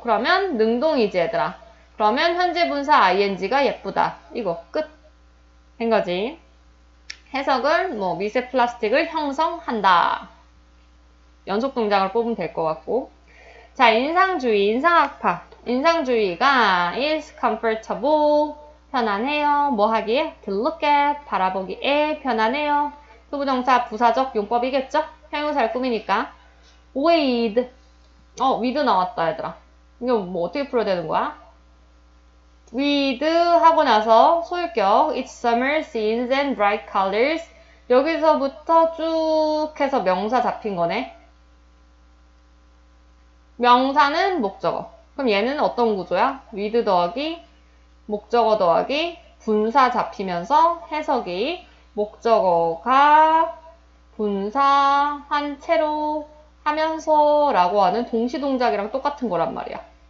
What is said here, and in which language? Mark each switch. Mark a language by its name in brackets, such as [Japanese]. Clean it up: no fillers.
[Korean] 그러면 능동이지, 얘들아. 그러면 현재 분사 ing가 예쁘다. 이거 끝. 된 거지. 해석은 뭐 미세 플라스틱을 형성한다. 연속 동작을 뽑으면 될것 같고. 자, 인상주의, 인상학파. 인상주의가 [English] is comfortable, [Korean] 편안해요. 뭐 하기에? [English] to look at, [Korean] 바라보기에 편안해요. 투부정사 부사적 용법이겠죠? 형용사를 꾸미니까. with. with 나왔다, 얘들아. 이거 뭐 어떻게 풀어야 되는 거야? with 하고 나서 소유격. [English] it's summer scenes and bright colors. [Korean] 여기서부터 쭉 해서 명사 잡힌 거네. 명사는 목적어. 그럼 얘는 어떤 구조야? with 더하기 목적어 더하기 분사 잡히면서 해석이 목적어가 분사한 채로 하면서라고 하는 동시 동작이랑 똑같은 거란 말이야.